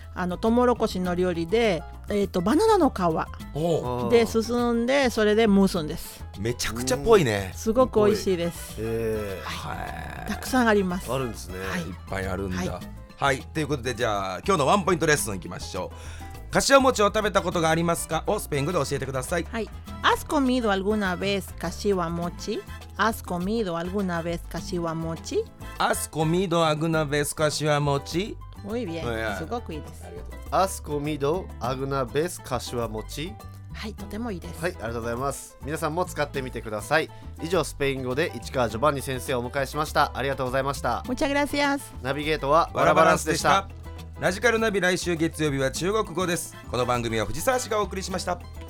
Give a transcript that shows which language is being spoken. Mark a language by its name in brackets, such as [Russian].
[Japanese] あのトウモロコシの料理で、バナナの皮で進んでそれで蒸すんです。めちゃくちゃぽいね。すごく美味しいです。はい、たくさんあります。あるんですね、はい、いっぱいあるんだ。はい、はい、ということで、じゃあ今日のワンポイントレッスンいきましょう。柏餅を食べたことがありますかをスペイン語で教えてください。はい。 [Spanish] ¿Has comido alguna vez kashiwa mochi? ¿Has comido alguna vez kashiwa mochi? ¿Has comido alguna vez kashiwa mochi? Muy bien. [English] Oh, yeah. [Japanese] すごくいいです。 [Spanish] ¿Has comido alguna vez kashiwa mochi? [Japanese] はい、とてもいいです。はい、ありがとうございます。皆さんも使ってみてください。以上、スペイン語で市川ジョバンニ先生をお迎えしました。ありがとうございました。 [Spanish] Muchas gracias. [Japanese] ナビゲートはワラバランスでした。ラジカルナビ、来週月曜日は中国語です。この番組は藤沢氏がお送りしました。